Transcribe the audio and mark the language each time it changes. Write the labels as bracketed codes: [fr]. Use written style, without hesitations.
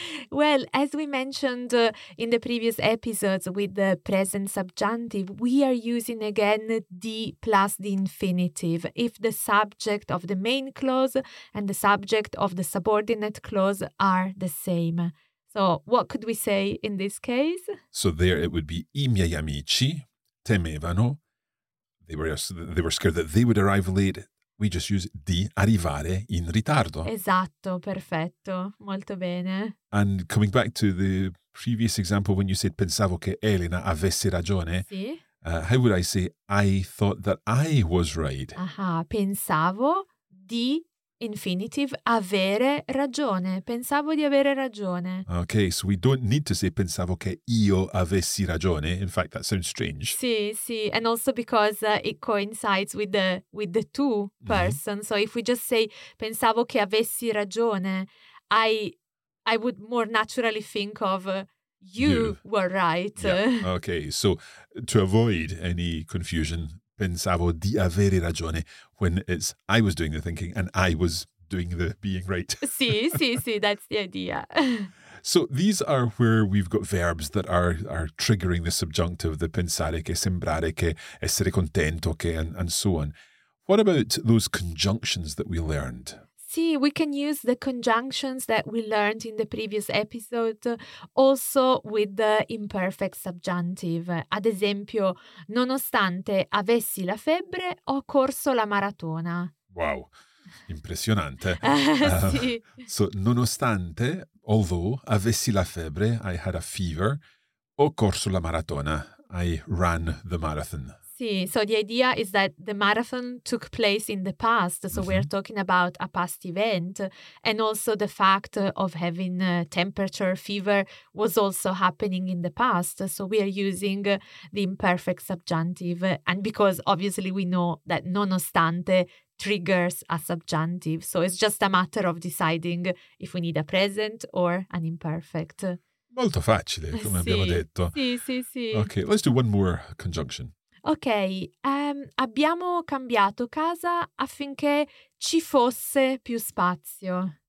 [en] Well, as we mentioned in the previous episodes with the present subjunctive, we are using again D plus the infinitive if the subject of the main clause and the subject of the subordinate clause are the same. So what could we say in this case? So there it would be [it] I miei amici temevano. [en] They were scared that they would arrive late. We just use [it] di arrivare in ritardo. Esatto, perfetto, molto bene. [en] And coming back to the previous example when you said [it] pensavo che Elena avesse ragione, sì. [en] How would I say I thought that I was right? [it] Pensavo di infinitive avere ragione, pensavo di avere ragione. [en] Okay, so we don't need to say [it] pensavo che io avessi ragione. [en] In fact, that sounds strange. Sì, sì, and also because it coincides with the two person. Mm-hmm. So if we just say [it] pensavo che avessi ragione, [en] I would more naturally think of you were right. Yeah. Okay, so to avoid any confusion, [it] pensavo di avere ragione, [en] when it's I was doing the thinking and I was doing the being right. Sì, sì, sì, that's the idea. So these are where we've got verbs that are triggering the subjunctive, the pensare che, sembrare che, essere contento che, and so on. What about those conjunctions that we learned? See, we can use the conjunctions that we learned in the previous episode also with the imperfect subjunctive. [it] Ad esempio, nonostante avessi la febbre, ho corso la maratona. Wow, impressionante. sì. [en] So, nonostante, although, avessi la febbre, I had a fever, ho corso la maratona, I ran the marathon. Sì, so the idea is that the marathon took place in the past, so mm-hmm. we're talking about a past event, and also the fact of having temperature, fever, was also happening in the past, so we are using the imperfect subjunctive, and because obviously we know that nonostante triggers a subjunctive, so it's just a matter of deciding if we need a present or an imperfect. [it] Molto facile, come sì. abbiamo detto. Sì, sì, sì. [en] Okay, let's do one more conjunction. [it] Ok, abbiamo cambiato casa affinché ci fosse più spazio.